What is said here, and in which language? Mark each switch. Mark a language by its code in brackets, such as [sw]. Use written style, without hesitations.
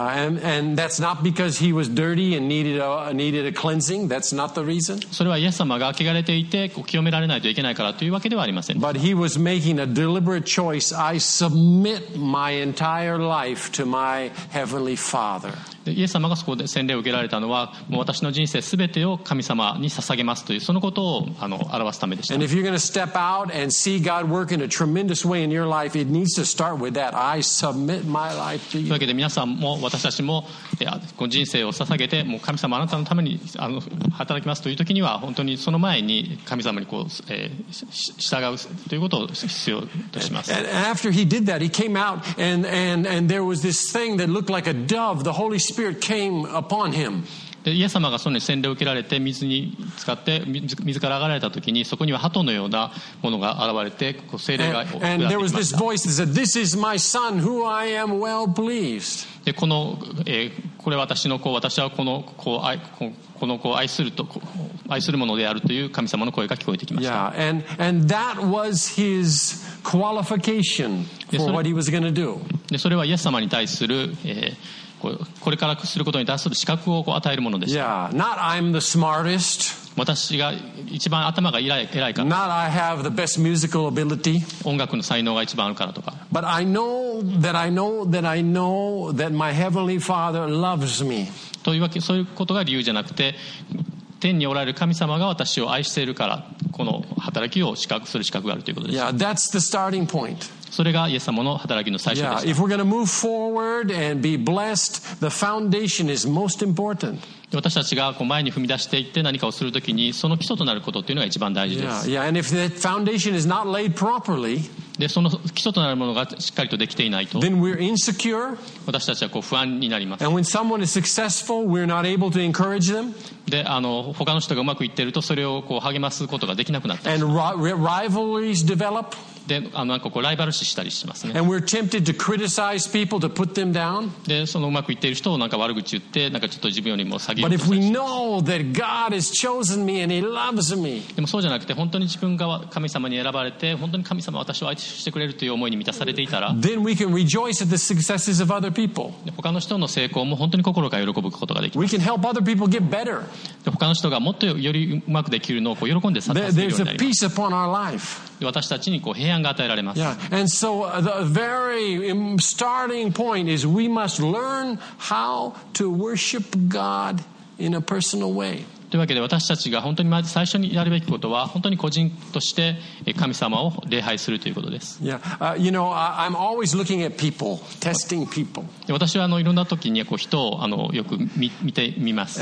[en] Yeah, and that's not because he was dirty and needed a cleansing. That's not the reason. [ja] それはイエス様が汚れていて清められないといけないからというわけではありません。 [en] But he was making a deliberate choice. I submit my entire life to my heavenly Father. [ja] イエス様がそこで洗礼を受けられたのは、もう私の人生すべてを神様に捧げますというそのことを表すためでした。 [en] And if you're going to step out and see God work in a tremendous way in your life, it needs to start with that. I submit my life. [ja] というわけで皆さんも私たちも人生を捧げてもう神様あなたのために働きますという時には、本当にその前に神様にこう従うということを必要とします。 [en] And after he did that he came out and there was this thing that looked like a dove. The Holy Spirit came upon him. [ja] でイエス様がその洗礼を受けられて水に浸かって水から上がられた時に、そこには鳩のようなものが現れて聖霊が降りてきました。 [en] And there was this voice that said, This is my son who I am well pleased. [ja] でこれ私の子、私はこの子を愛、この子を愛すると愛するものであるという神様の声が聞こえてきました。 [en] Yeah, and that was his qualification for what he was going to do. [ja] でそれはイエス様に対する、これからすることに対する資格を与えるものでした。 [en] Yeah, not I'm the smartest. [ja] 私が一番頭が偉いから。 [en] Not I have the best musical ability. [ja] 音楽の才能が一番あるからとか。 [en] But I know that I know that I know that my heavenly Father loves me. [ja] というわけ、そういうことが理由じゃなくて、天におられる神様が私を愛しているから、この働きを資格する資格があるということです。 [en] Yeah, that's the starting point. [ja] それがイエス様の働きの最初でした。 [en] Yeah, if we're going to move forward and be blessed, the foundation is most important. [ja] 私たちがこう前に踏み出していって何かをするときに、その基礎となることというのが一番大事です。 [en] Yeah, yeah, and if the foundation is not laid properly, [ja] でその基礎となるものがしっかりとできていないと、 [en] then we're insecure. [ja] 私たちはこう不安になります。 [en] And when someone is successful, we're not able to encourage them. [ja] で他の人がうまくいっていると、それをこう励ますことができなくなってしまう。 [en] And rivalries develop. [ja] で、あの、なんかこうライバル視したりしますね。 [en] And we're tempted to criticize people to put them down. [ja] で、そのうまくいっている人をなんか悪口言って、なんかちょっと自分よりも下げる。 [en] But if we know that God has chosen me and He loves me. [ja] でもそうじゃなくて、本当に自分が神様に選ばれて、本当に神様は私を愛してくれるという思いに満たされていたら、 [en] then we can rejoice at the successes of other people. [ja] 他の人の成功も本当に心から喜ぶことができます。 [en] We can help other people get better. [ja] 他の人がもっとよりうまくできるのをこう喜んで支えてくれるようになります。 [en] There's a peace upon our life. [ja] 私たちにこう平安が与えられます。 [en] Yeah. And so the very starting point is we must learn how to worship God in a personal way. [ja] というわけで私たちが本当にまず最初にやるべきことは本当に個人として神様を礼拝するということです。 [en] Yeah. You know, I'm always looking at people, testing people. [ja] 私はあのいろんな時にこう人をあのよく見てみます。